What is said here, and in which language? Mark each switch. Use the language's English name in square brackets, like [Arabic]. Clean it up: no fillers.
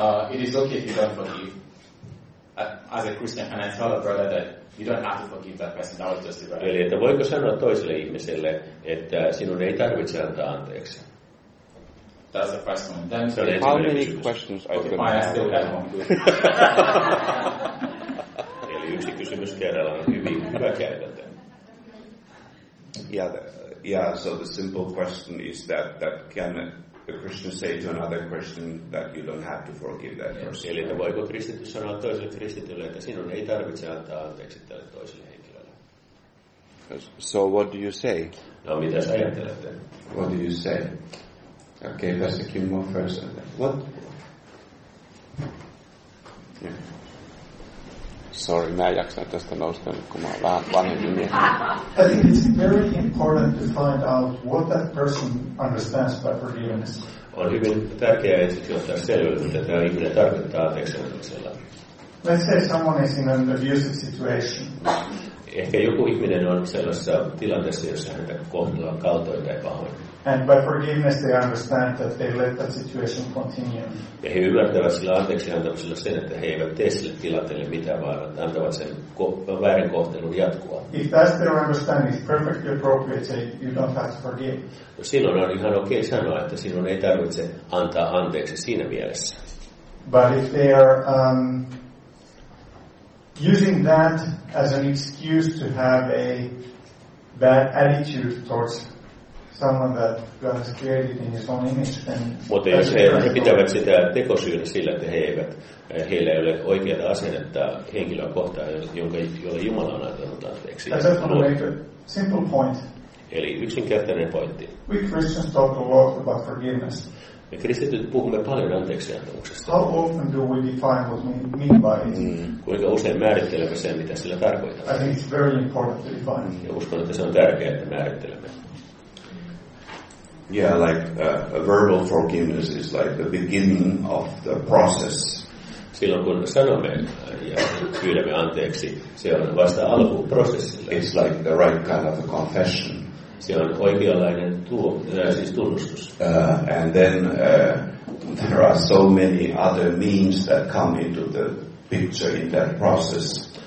[English] It is okay if you don't forgive as a Christian, and I tell a brother that you don't have to forgive that person, that was just a brother. [Finnish] Eli että voiko sanoa toiselle ihmiselle, että sinun ei tarvitse antaa anteeksi? [English] That's the first one. Then so how many questions are you going to ask? Okay, I still have one. [Finnish] Eli yksi kysymys kerrallaan on hyvin hyvä käytäntö. [English] Yeah. So the simple question is that can a Christian say to another Christian that you don't have to forgive that person? [Finnish] Eli voiko kristitty sanoa toiselle kristitylle, että sinun ei tarvitse antaa anteeksi tälle toiselle henkilölle? [English] So what do you say? [Finnish] No, mitä sä ajattelet? [English] What do you say? Okay, let's take him more first. What? [Finnish] Sorry, mä jaksan tästä nousta nyt, kun mä oon vähän vanhempi mies. [English] I think it's very important to find out what that person understands by forgiveness. [Finnish] On hyvin tärkeää ensin ottaa selville, mitä tämä ihminen tarkoittaa anteeksiannoksella. [English] Let's say someone is in an abusive situation. [Finnish] Ehkä joku ihminen on sellaisessa tilanteessa, jossa häntä kohdellaan kaltoin tai pahoin. [English] And by forgiveness they understand that they let that situation continue. [Finnish] Ja he ymmärtävät sillä anteeksiantamisella sen, että he eivät tee sille tilanteelle mitään, vaan antavat sen väärin kohtelun jatkua. [English] If that's their understanding, it's perfectly appropriate to say you don't have to forgive. [Finnish] No, silloin on ihan okei sanoa, että sinun ei tarvitse antaa anteeksi siinä mielessä. [English] But if they are using that as an excuse to have a bad attitude towards someone that God has created in his own image, then [Finnish] mutta jos he pitävät sitä tekosyynä sillä, että heillä ei ole oikeaa asennetta henkilöä kohtaan, jolle Jumala on antanut anteeksi. [English] That's just a simple point. [Finnish] Eli yksinkertainen pointti. [English] We Christians talk a lot about forgiveness. [Finnish] Me kristityt puhumme paljon anteeksiantamuksesta. [English] How often do we define what we mean by it? [Finnish] Kuinka usein määrittelemme sen, mitä sillä tarkoitamme? [English] I think it's very important to define. [Finnish] Ja uskon, että se on tärkeää, että määrittelemme. [English] Yeah, like a verbal forgiveness is like the beginning of the process. [Finnish] Silloin kun sanomme ja pyydämme anteeksi, se on vasta alku prosessille. [English] It's like the right kind of a confession. [Finnish] Se on oikeanlainen siis tunnustus. [English] And then there are so many other means that come into the picture in that process.